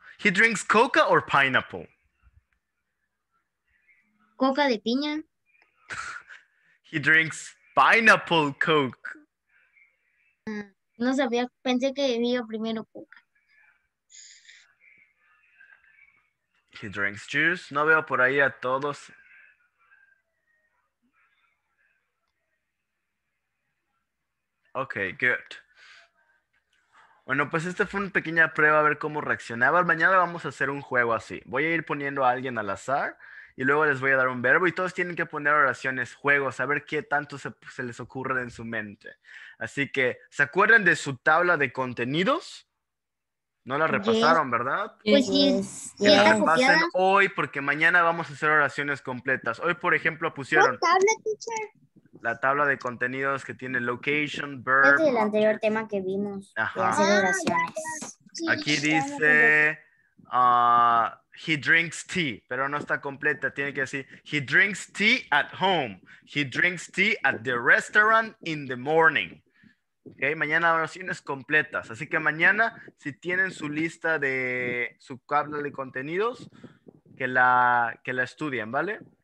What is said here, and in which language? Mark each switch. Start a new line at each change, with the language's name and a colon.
English: He drinks coca or pineapple?
Spanish: Coca de piña.
English: He drinks pineapple coke.
Spanish: No sabía, pensé que bebía primero coca.
English: He drinks juice.
Spanish: No veo por ahí a todos.
English: Ok, good.
Spanish: Bueno, pues esta fue una pequeña prueba a ver cómo reaccionaba. Mañana vamos a hacer un juego así. Voy a ir poniendo a alguien al azar y luego les voy a dar un verbo y todos tienen que poner oraciones, juegos, a ver qué tanto se les ocurre en su mente. Así que, ¿se acuerdan de su tabla de contenidos? No la repasaron, yes. ¿Verdad? Pues sí. Que la repasen hoy porque mañana vamos a hacer oraciones completas. Hoy, por ejemplo, pusieron... ¿Qué tabla, teacher? La tabla de contenidos que tiene location, verb. Es el anterior tema que vimos. Ajá. Que hace oraciones. Aquí dice,
English: he drinks tea,
Spanish: pero no está completa. Tiene que decir,
English: he drinks tea at home. He drinks tea at the restaurant in the morning.
Spanish: Okay, mañana oraciones completas. Así que mañana, si tienen su lista de su tabla de contenidos, que la estudien, ¿vale?